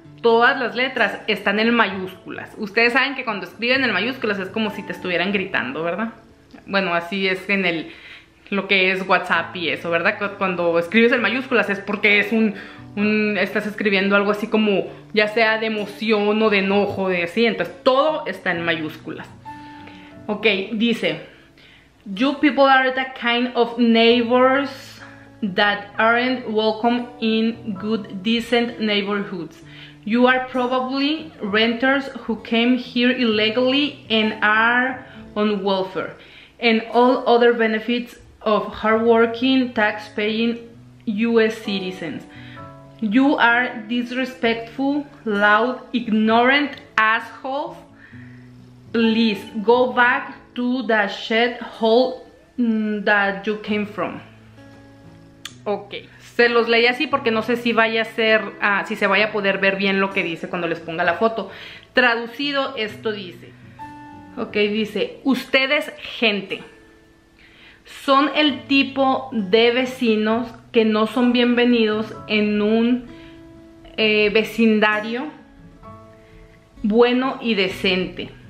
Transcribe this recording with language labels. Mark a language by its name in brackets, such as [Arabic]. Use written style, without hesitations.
[Spanish] Todas las letras están en mayúsculas. Ustedes saben que cuando escriben en mayúsculas es como si te estuvieran gritando, ¿verdad? Bueno, así es en el... lo que es WhatsApp y eso, ¿verdad? Cuando escribes en mayúsculas es porque es un estás escribiendo algo así como, ya sea de emoción o de enojo, de así. Entonces, todo está en mayúsculas. Ok, dice: [English] "You people are the kind of neighbors that aren't welcome in good, decent neighborhoods. You are probably renters who came here illegally and are on welfare and all other benefits of hardworking, taxpaying US citizens. You are disrespectful, loud, ignorant assholes. Please go back to the shed hole that you came from." [Spanish] Ok, se los leí así porque no sé si vaya a ser, si se vaya a poder ver bien lo que dice cuando les ponga la foto. Traducido, esto dice. Ok, dice: "Ustedes, gente, son el tipo de vecinos que no son bienvenidos en un vecindario bueno y decente.